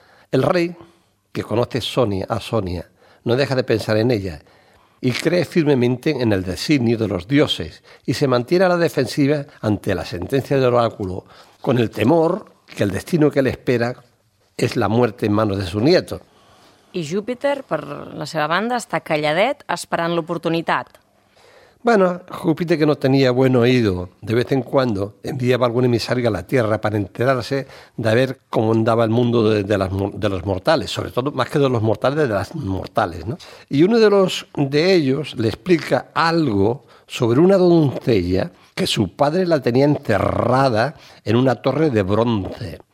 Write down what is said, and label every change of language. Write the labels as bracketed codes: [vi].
[es] El rey, que conoce a Sonia, no deja de pensar en ella y cree firmemente en el designio de los dioses y se mantiene a la defensiva ante la sentencia del oráculo con el temor que el destino que le espera es la muerte en manos de su nieto. [ca] I Júpiter, per la seva banda, està calladet esperant l'oportunitat. [es] Bueno, Júpiter, que no tenia bon oído, de vez en cuando enviaba algún emisario a la Tierra para enterarse de ver cómo andaba el mundo de los mortales, sobre todo, más que de los mortales, de las mortales, ¿no? Y uno de ellos le explica algo sobre una doncella que su padre la tenía encerrada en una torre de bronce.